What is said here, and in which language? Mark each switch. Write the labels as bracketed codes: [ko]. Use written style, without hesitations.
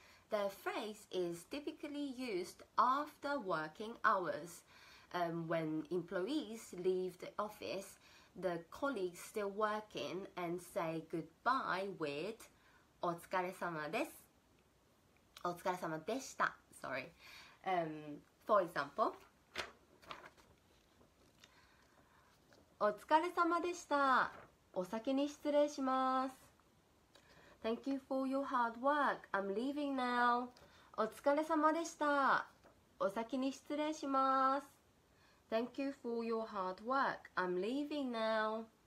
[en] The phrase is typically used after working hours. When employees leave the office, the colleagues still working and say goodbye with [ja] お疲れ様です。お疲れ様でした。 [en] Sorry. For example, [ja] お疲れ様でした。お先に失礼します。 [en] Thank you for your hard work. I'm leaving now. [ja] お疲れ様でした。お先に失礼します。 [en] Thank you for your hard work. I'm leaving now.